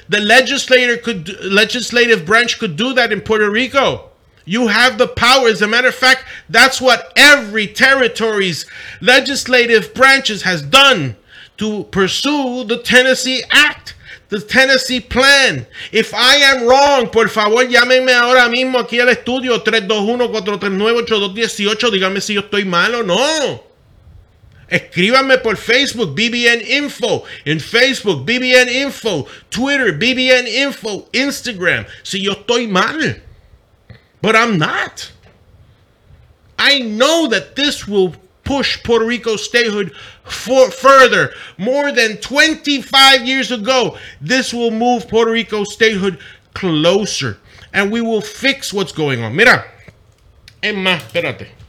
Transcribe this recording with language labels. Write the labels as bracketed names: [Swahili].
[English] The legislative branch could do that in Puerto Rico. You have the power. As a matter of fact, that's what every territory's legislative branches has done to pursue the Tennessee Act, the Tennessee Plan. If I am wrong, [Spanish] por favor, llámenme ahora mismo aquí al estudio 321-439-8218. Dígame si yo estoy mal o no. Escríbanme por Facebook, BBN Info, en Facebook, BBN Info, Twitter, BBN Info, Instagram, si yo estoy mal. [English] But I'm not. I know that this will push Puerto Rico statehood further. More than 25 years ago, this will move Puerto Rico statehood closer. And we will fix what's going on. [Spanish] Mira, Emma, espérate.